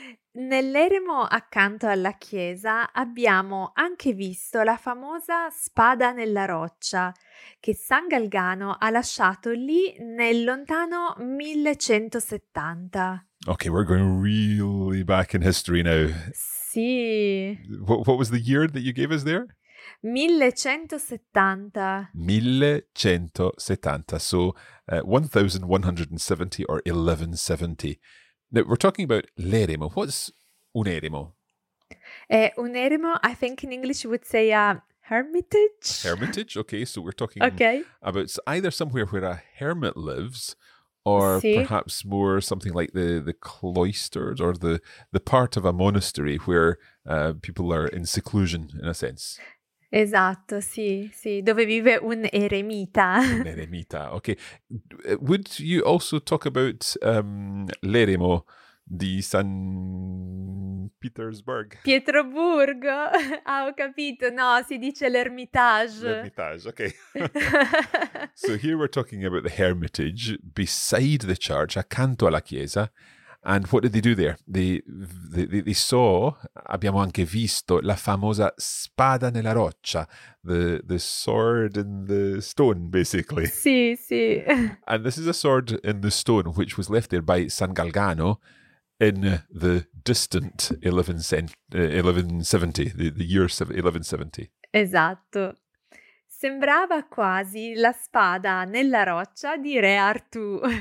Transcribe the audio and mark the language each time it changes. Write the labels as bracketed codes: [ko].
[it] Nell'eremo accanto alla chiesa abbiamo anche visto la famosa spada nella roccia che San Galgano ha lasciato lì nel lontano 1170. [en] Okay, we're going really back in history now. [it] Sì. [en] What was the year that you gave us there? [it] 1170. [en] 1170. So 1170 or 1170. Now, we're talking about l'eremo. What's un eremo? [it] Un eremo, [en] I think in English you would say a hermitage. Hermitage, okay. So we're talking okay. about either somewhere where a hermit lives or sí. perhaps more something like the cloisters or the part of a monastery where people are in seclusion, in a sense. [it] Esatto, sì, dove vive un eremita. Un eremita, ok. [en] Would you also talk about l'eremo di San Petersburg? [it] Pietroburgo, ah, ho capito, no, si dice l'ermitage. [en] L'ermitage, ok. So here we're talking about the hermitage beside the church, accanto alla chiesa. And what did they do there? They saw, abbiamo anche visto, la famosa spada nella roccia, the sword in the stone, basically. [it] Sì, sì. [en] And this is a sword in the stone, which was left there by San Galgano in the distant 1170, the year of 1170. [it] Esatto. Sembrava quasi la spada nella roccia di Re Artù.